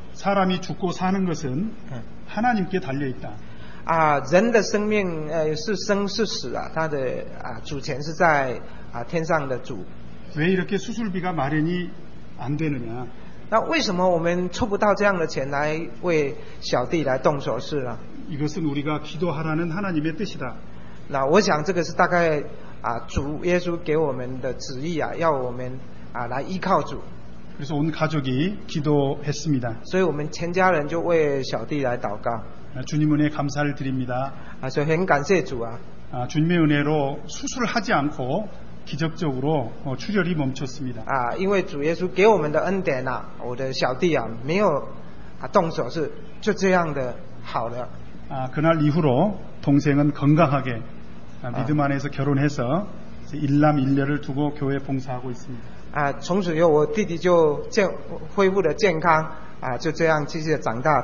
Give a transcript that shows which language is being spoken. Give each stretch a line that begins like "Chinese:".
Korean: 사람이죽고사는것은하나님께달려있다
Chinese: 啊，人的生命是生是死啊，他的啊主权是在啊天上的主。
Korean: 왜이렇게수술비가마련이안되느냐
Chinese: 那为什么我们凑不到这样的钱来为小弟来动手术呢？
Korean: 이것은우리가기도하라는하나님의뜻이다
Chinese: 那我想这个是大概啊主耶稣给我们的旨意啊，要我们啊来依靠主。
Korean: 그래서온가족이기도했습니다
Chinese: 所以我们全家人就为小弟来祷告。
Korean: 주님은혜감사를드립니다 아저행감사주아 아주님의은혜로수술하지않고기적적으로출혈이멈췄습니다
Chinese: 아因为主耶稣给我们的恩典啊我的小弟啊没有啊动手术就这样的好了
Korean: 아그날이후로동생은건강하게믿음안에서결혼해서일남일녀를두고교회봉사하고있습니다
Chinese: 아从此以后我弟弟就恢复了健康啊，就这样继续长大。